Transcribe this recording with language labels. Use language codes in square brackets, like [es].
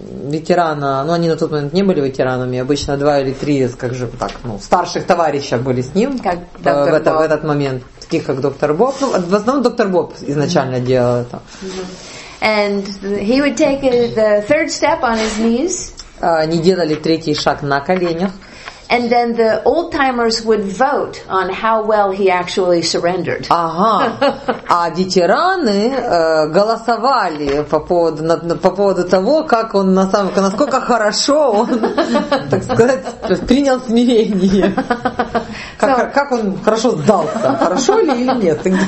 [ru] ветерана, ну, они на тот момент не были ветеранами, обычно два или три, как же так, ну, старших товарища были с ним в этот момент, таких как доктор Боб. Ну, в основном доктор Боб изначально делал это. [en] And he would take the third step on his knees. [ru] Они делали третий шаг на коленях. [en] And then the old timers would vote on how well he actually surrendered. [ru] Ага. А ветераны голосовали по поводу того, как он насколько хорошо он, так сказать, принял смирение. Как он хорошо сдался, хорошо ли или нет?